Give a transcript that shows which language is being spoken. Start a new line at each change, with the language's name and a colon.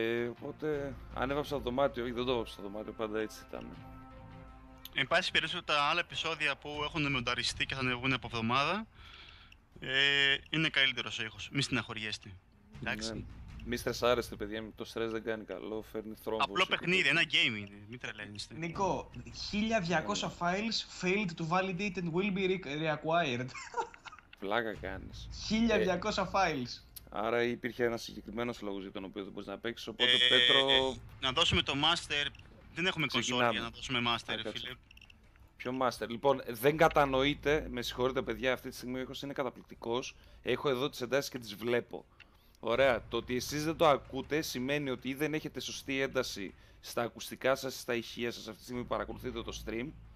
Greek: Οπότε ανέβαψα το δωμάτιο, όχι δεν το έβαψα το δωμάτιο, πάντα έτσι ήταν. Εν πάση περιπτώσει τα άλλα επεισόδια που έχουν μονταριστεί και θα ανεβούν από εβδομάδα είναι καλύτερος ο ήχος, μη στεναχωριέστε. Εντάξει. Ναι. Μη στρεσάρεστε, παιδιά. Το στρες δεν κάνει καλό. Φέρνει θρόμβους. Απλό παιχνίδι, ένα game είναι. Μην τρελαίνεστε.
English: Νίκο, 1200 files failed to validate and will be reacquired.
Greek: Πλάκα κάνεις.
English: 1200 files.
Greek: Άρα υπήρχε ένα συγκεκριμένο λόγο για τον οποίο δεν μπορείς να παίξεις. Οπότε, Πέτρο. Να δώσουμε το master. Δεν έχουμε κονσόλ για να δώσουμε master, φίλε. Ποιο master. Λοιπόν, δεν κατανοείτε. Με συγχωρείτε, παιδιά. Αυτή τη στιγμή ο ήχος είναι καταπληκτικός. Έχω εδώ τις εντάσεις και τις βλέπω. Ωραία, το ότι εσείς δεν το ακούτε σημαίνει ότι ή δεν έχετε σωστή ένταση στα ακουστικά σας ή στα ηχεία σας αυτή τη στιγμή που παρακολουθείτε το stream.